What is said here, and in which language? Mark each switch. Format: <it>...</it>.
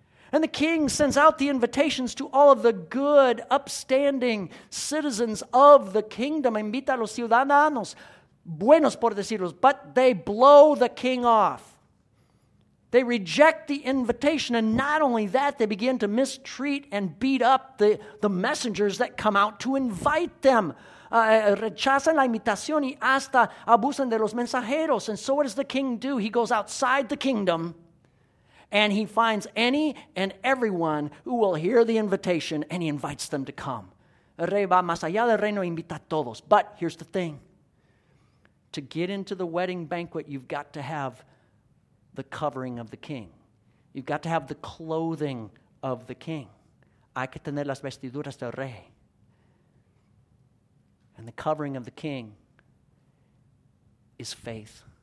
<en>And the king sends out the invitations to all of the good, upstanding citizens of the kingdom.</en> <es>Invita a los ciudadanos. Buenos, por decirlos.</es> <en>But they blow the king off. They reject the invitation. And not only that, they begin to mistreat and beat up the messengers that come out to invite them.</en> <es>Rechazan la invitación y hasta abusan de los mensajeros.</es> <en>And so what does the king do? He goes outside the kingdom and he finds any and everyone who will hear the invitation and he invites them to come.</en> <es>El rey va más allá del reino e invita a todos.</es> <en>But here's the thing. To get into the wedding banquet, you've got to have the covering of the king. You've got to have the clothing of the king.</en> <es>Hay que tener las vestiduras del rey.</es> <en>And the covering of the king is faith.</en>